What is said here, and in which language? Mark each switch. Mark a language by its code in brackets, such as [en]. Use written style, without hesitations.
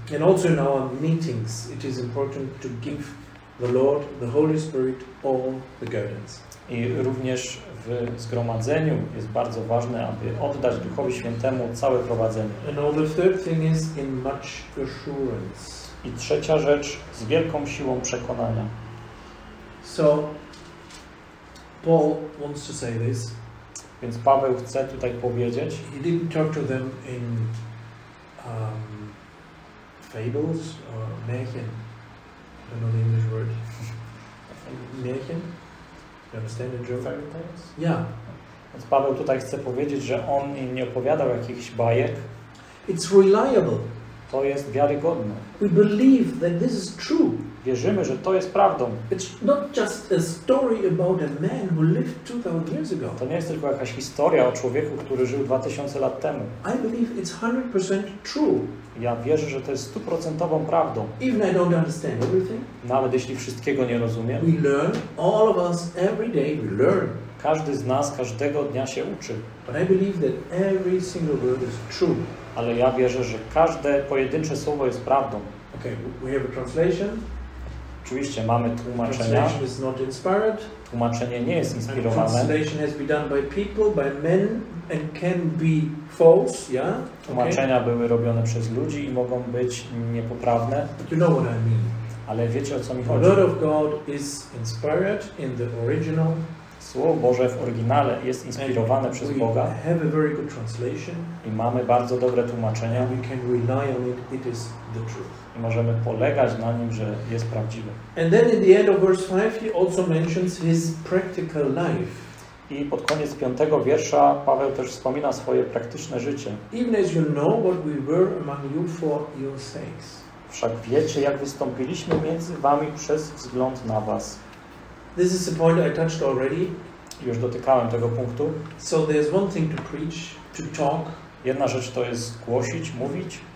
[en] And also in our meetings, it is important to give the Lord, the Holy Spirit, all the guidance. [pl] I również w zgromadzeniu jest bardzo ważne, aby oddać Duchowi Świętemu całe prowadzenie. [en] And all the third thing is in much assurance. [pl] I trzecia rzecz, z wielką siłą przekonania. [en] So, Paul wants to say this. [pl] Więc Paweł chce tutaj powiedzieć. [en] He didn't talk to them in fables or Märchen. I don't know the English word. Märchen? You understand the joke? Fairy tales? Yeah. [pl] Więc Paweł tutaj chce powiedzieć, że on im nie opowiadał jakichś bajek. [en] It's reliable. [pl] To jest wiarygodne. [en] We believe that this is true. [pl] Wierzymy, że to jest prawdą. [en] It's not just a story about a man who lived 2000 years ago. [pl] To nie jest tylko jakaś historia o człowieku, który żył 2000 lat temu. [en] I believe it's 100% true. [pl] Ja wierzę, że to jest 100% prawdą. [en] Even I don't understand everything. [pl] Nawet jeśli wszystkiego nie rozumiem. [en] We learn, all of us every day we learn. [pl] Każdy z nas każdego dnia się uczy. [en] But I believe that every single word is true. [pl] Ale ja wierzę, że każde pojedyncze słowo jest prawdą. [en] Okay, we have a translation. [pl] Oczywiście mamy tłumaczenia. [en] Translation is not inspired. [pl] Tłumaczenie nie jest inspirowane. [en] And translation has been done by people, by men, and can be false, yeah? Okay. [pl] Tłumaczenia były robione przez ludzi i mogą być niepoprawne. [en] But you know what I mean. [pl] Ale wiecie, o co mi [en] the [pl] chodzi. [en] The word of God is inspired in the original. [pl] Słowo Boże w oryginale jest inspirowane przez Boga. [en] Have a very good translation. [pl] I mamy bardzo dobre tłumaczenie. [en] We can rely on it. It is the truth. [pl] I możemy polegać na nim, że jest prawdziwe. [en] And then in the end of verse 5 he also mentions his practical life. [pl] I pod koniec piątego wiersza Paweł też wspomina swoje praktyczne życie. [en] Even as you know what we were among you for your sakes. [pl] Wszak wiecie, jak wystąpiliśmy między wami przez wzgląd na was. [en] This is a point I touched already. [pl] Już dotykałem tego punktu. [en] So there's one thing to preach, to talk. [pl] Jedna rzecz to jest głosić, mówić.